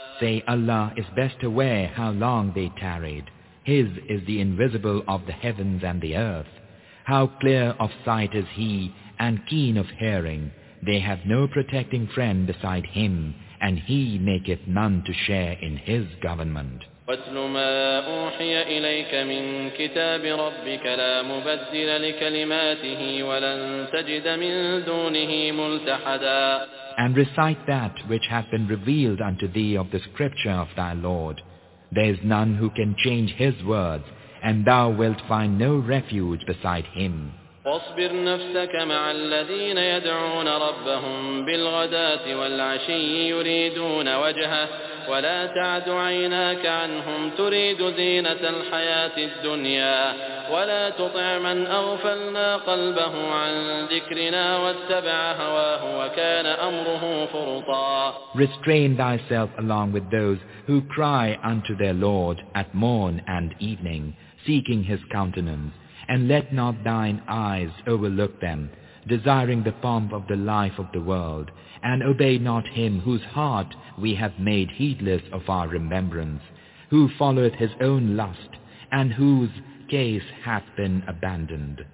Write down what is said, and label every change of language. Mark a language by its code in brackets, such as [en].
[en] Say, Allah is best aware how long they tarried. His is the invisible of the heavens and the earth. How clear of sight is He and keen of hearing. They have no protecting friend beside Him, and He maketh none to share in His government. [ar] واتل ما أوحي إليك من كتاب ربك لا مبدل لكلماته ولن تجد من دونه ملتحدا. [en] And recite that which hath been revealed unto thee of the scripture of thy Lord. There is none who can change his words, and thou wilt find no refuge beside him. [ar] واصبر نفسك مع الذين يدعون ربهم بالغداة والعشي يريدون وجهه ولا تعد عيناك عنهم تريد زينة الحياة الدنيا ولا تطع من أغفلنا قلبه عن ذكرنا واتبع هواه وكان أمره فرطا. [en] Restrain thyself along with those who cry unto their Lord at morn and evening, seeking His countenance. And let not thine eyes overlook them, desiring the pomp of the life of the world, and obey not him whose heart we have made heedless of our remembrance, who followeth his own lust, and whose case hath been abandoned.